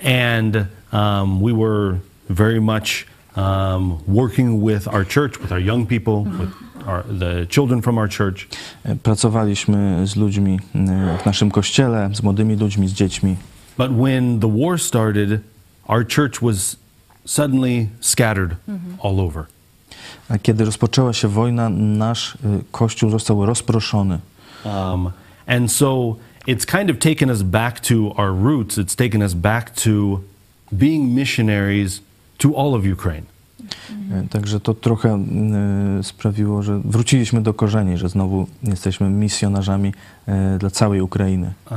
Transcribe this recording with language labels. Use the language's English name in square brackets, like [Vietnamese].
[English] And we were very much working with our church, with our young people, with the children from our church. [Polish] Pracowaliśmy z ludźmi w naszym kościele, z młodymi ludźmi, z dziećmi. [English] But when the war started, our church was suddenly scattered all over. [Polish] A kiedy rozpoczęła się wojna, nasz kościół został rozproszony. [English] And so it's kind of taken us back to our roots. It's taken us back to being missionaries to all of Ukraine. [Polish] Także to trochę sprawiło, że wróciliśmy do korzeni, że znowu jesteśmy misjonarzami dla całej Ukrainy.